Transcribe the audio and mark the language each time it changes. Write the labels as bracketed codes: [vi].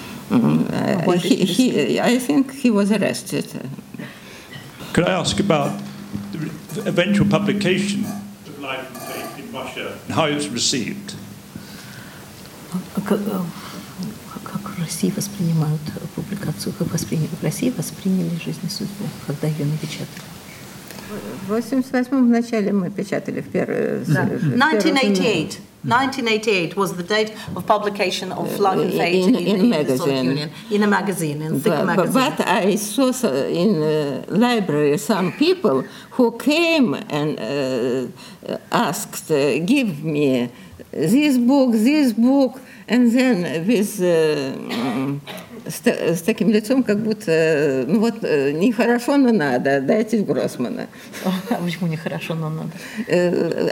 [en] I think he was arrested. Could I ask about the eventual publication of Life and Faith? Russia, how it's received. [ru] Как в России воспринимают публикацию, как в России восприняли жизнь и судьбу, когда ее напечатали? В 88-м в начале мы печатали в первую. [en] 1988. 1988 was the date of publication of Life and Fate in magazine. In a magazine, in thick magazine. But I saw in the library some people who came and asked, give me this book, and then with... [ru] с таким лицом, как будто, ну вот, нехорошо, но надо, дайте Гроссмана. А почему нехорошо, но надо?